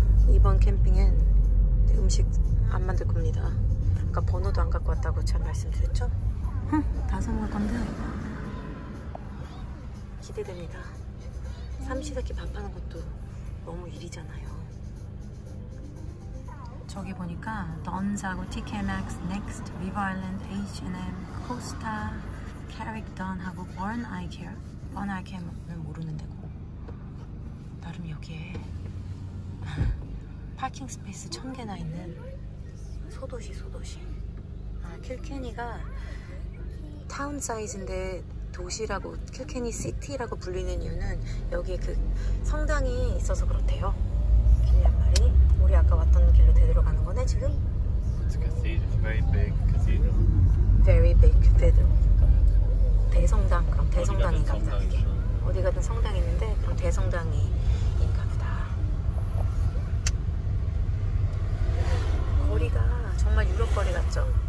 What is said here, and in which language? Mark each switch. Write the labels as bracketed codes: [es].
[ko] 이번 캠핑엔 음식 안 만들 겁니다. 아까 번호도 안 갖고 왔다고 제가 말씀드렸죠? 다 사먹을 건데. 기대됩니다. 삼시세끼 밥하는 것도 너무 일이잖아요. 저기 보니까 던즈하고 TK Maxx, Next, River Island, H&M, Costa, Carrick Dunn하고 Born Eye Care. 번 아이캠은 모르는데고 나름 여기에 파킹 스페이스 천 개나 있는 소도시. 아, 킬케니가 타운 사이즈인데 도시라고, 킬케니 시티라고 불리는 이유는 여기에 그 성당이 있어서 그렇대요. 길란 말이 우리 아까 왔던 길로 되돌아가는 거네 지금. [en] It's a cathedral, very big cathedral. Very big cathedral. [ko] 대성당, 그럼 대성당인가 보다. 이게 어디 가든 성당이 있는데 그럼 대성당인가 보다. 거리가 정말 유럽 거리 같죠?